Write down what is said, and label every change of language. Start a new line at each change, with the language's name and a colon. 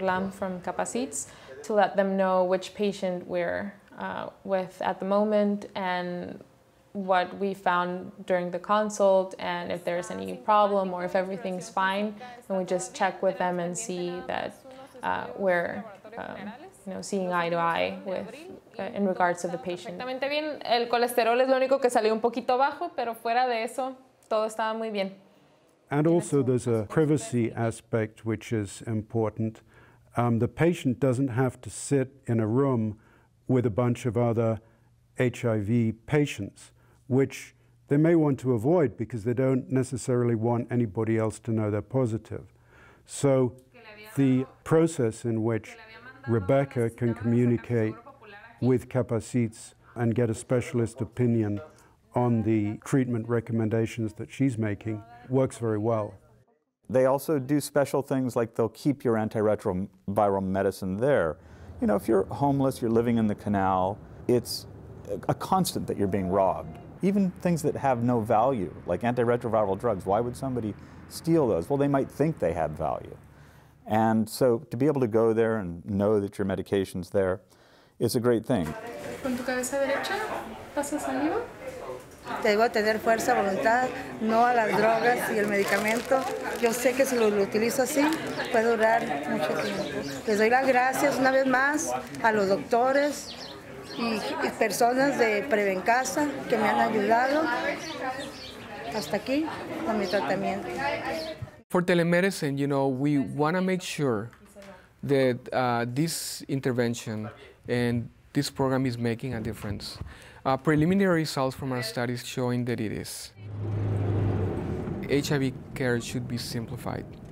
English: Lam from Capacites to let them know which patient we're with at the moment and what we found during the consult and if there's any problem or if everything's fine, and we just check with them and see that we're seeing eye to eye with in regards to the patient.
Spanish: Perfectamente bien. El colesterol es lo único que salió un poquito bajo, pero fuera de eso, todo estaba muy bien.
English: And also there's a privacy aspect which is important. The patient doesn't have to sit in a room with a bunch of other HIV patients, which they may want to avoid because they don't necessarily want anybody else to know they're positive. So the process in which Rebecca can communicate with Capacites and get a specialist opinion on the treatment recommendations that she's making works very well. They also do special things like they'll keep your antiretroviral medicine there. You know, if you're homeless, you're living in the canal, it's a constant that you're being robbed. Even things that have no value, like antiretroviral drugs, why would somebody steal those? Well, they might think they had value. And so to be able to go there and know that your medication's there is a great thing.
Spanish: Con tu cabeza derecha, pasas arriba. Debo tener fuerza, voluntad, no a las drogas y el medicamento. Yo sé que si lo utilizo así, puede durar mucho tiempo. Les doy las gracias una vez más a los doctores y personas de Prevencasa que me han ayudado hasta aquí con mi tratamiento.
English: For telemedicine, you know, we want to make sure that this intervention and this program is making a difference. Preliminary results from our studies showing that it is. HIV care should be simplified.